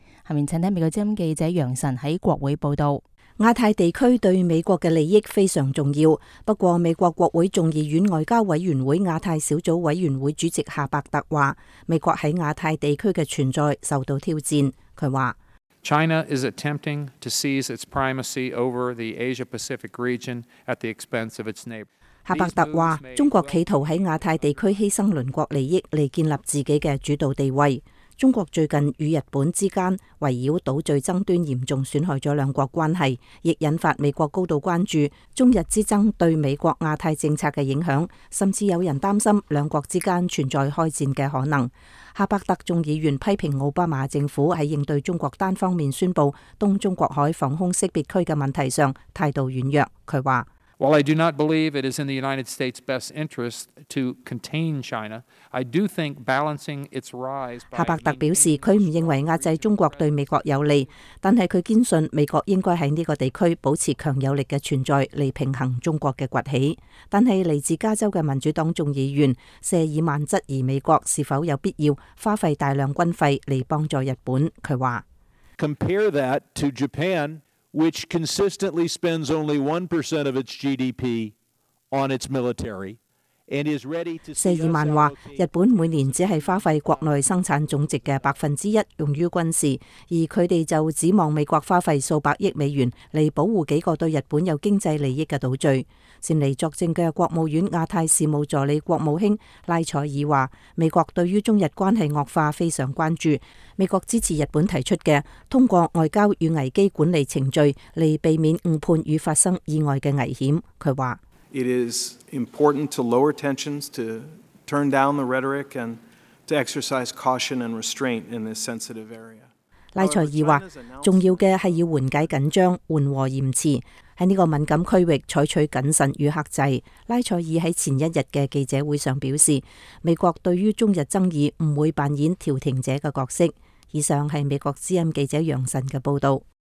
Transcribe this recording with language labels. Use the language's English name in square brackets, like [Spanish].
[Chinese] 下面请听美国之音记者杨晨在国会报道。亚太地区对美国的利益非常重要，不过美国国会众议院外交委员会亚太小组委员会主席夏伯特说，美国在亚太地区的存在受到挑战。他说， [English] China is attempting to seize its primacy over the Asia-Pacific region at the expense of its neighbor. [Chinese] 夏伯特说，中国企图在亚太地区牺牲邻国利益来建立自己的主导地位。中国最近与日本之间围绕岛屿争端严重损害了两国关系，亦引发美国高度关注中日之争对美国亚太政策的影响，甚至有人担心两国之间存在开战的可能。夏伯特众议员批评奥巴马政府在应对中国单方面宣布东中国海防空识别区的问题上态度软弱。他说， [English] While I do not believe it is in the United States' best interest to contain China, I do think balancing its rise by [Chinese] 夏伯特表示，他不认为压制中国对美国有利，但是他坚信美国应该在这个地区保持强有力的存在来平衡中国的崛起。但是来自加州的民主党众议员谢尔曼质疑美国是否有必要花费大量军费来帮助日本。他说， [English] Compare that to Japan. Which consistently spends only 1% of its GDP on its military and is ready to. [Chinese] 谢尔曼说，日本每年只是花费国内生产总值的1%用于军事，而他们就指望美国花费数百亿美元来保护几个对日本有经济利益的岛屿。前来作证的国务院亚太事务助理国务卿拉塞尔说，美国对于中日关系恶化非常关注，美国支持日本提出的通过外交与危机管理程序来避免误判与发生意外的危险。他说， [English] It is important to lower tensions, to turn down the rhetoric and to exercise caution and restraint in this sensitive area. [Chinese] 拉塞尔说，重要的是要缓解紧张，缓和言辞，在这个敏感区域采取谨慎与克制。拉塞尔在前一日的记者会上表示，美国对于中日争议不会扮演调停者的角色。以上是美国之音记者杨晨的报道。